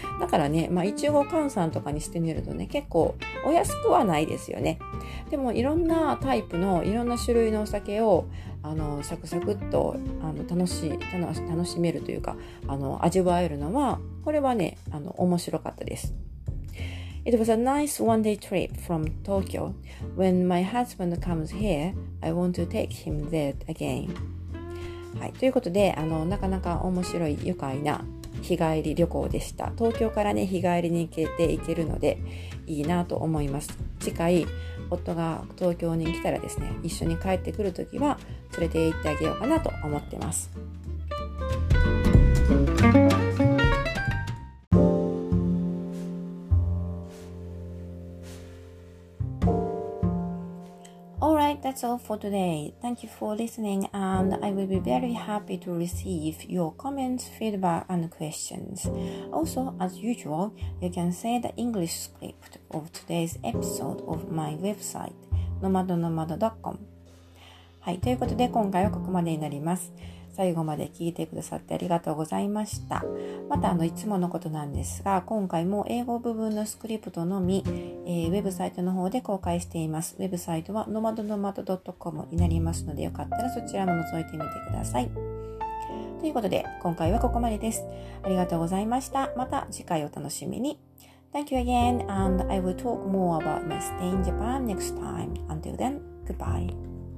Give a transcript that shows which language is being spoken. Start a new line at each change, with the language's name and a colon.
Japanese: だからね、まあ、いちご換算とかにしてみるとね、結構お安くはないですよね。でも、いろんなタイプのいろんな種類のお酒をサクサクっと楽しめるというか、味わえるのは、これはね、面白かったです。
English: It was a nice one-day trip from Tokyo. When my husband comes here, I want to take him there again.
Japanese: はい、ということで、なかなか面白い、愉快な日帰り旅行でした。東京からね、日帰りに行けて行けるので、いいなと思います。次回、夫が東京に来たらですね、一緒に帰ってくるときは、連れて行ってあげようかなと思ってます。
English: That's all for today. Thank you for listening, and I will be very happy to receive your comments, feedback, and questions. Also, as usual, you can see the English script of today's episode of my website, nomadonomad.com.
Japanese: はい、ということで、今回はここまでになります。最後まで聞いてくださってありがとうございました。また、いつものことなんですが、今回も英語部分のスクリプトのみ、ウェブサイトの方で公開しています。ウェブサイトは nomadonomad.com になりますので、よかったらそちらも覗いてみてください。ということで、今回はここまでです。ありがとうございました。また次回お楽しみに。
English: Thank you again, and I will talk more about my stay in Japan next time. Until then, goodbye.